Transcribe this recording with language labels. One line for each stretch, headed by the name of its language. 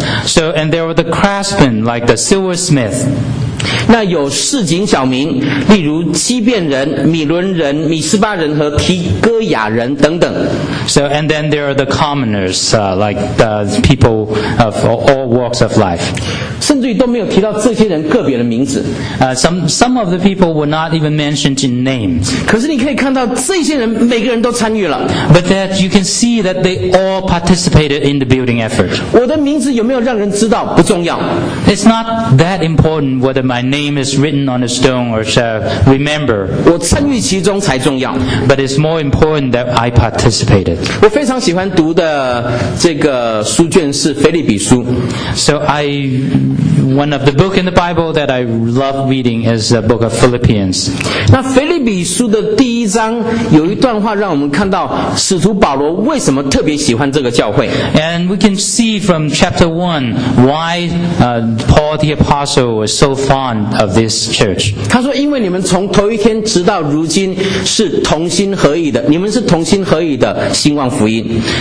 English: So and there were the craftsmen like the silversmith.
Chinese: 那有市井小民例如基遍人米伦人米斯巴人和提哥雅人等等。
English: So and then there are the commoners like the people of all walks of life.
Chinese: 甚至于都没有提到这些人个别的名字。
English: Some of the people were not even mentioned in name.
Chinese: 可是你可以看到这些人每个人都参与了。
English: But that you can see that they all participated in the building effort.
Chinese: 我的名字有没有让人知道不重要。
English: It's not that important whether my name is written on a stone or shall remember.
Chinese: 我参与其中才重要。
English: But it's more important that I participated.
Chinese: 我非常喜欢读的这个书卷是腓立比书。
English: So one of the books in the Bible that I love reading is the book of Philippians.
Chinese: 那腓立比书的第一章有一段话让我们看到使徒保罗为什么特别喜欢这个教会。
English: And we can see from chapter 1 why Paul the Apostle was so fond of this church.
Chinese: 他说因为你们从头一天直到如今是同心合意的，你们是同心合意的兴旺福音。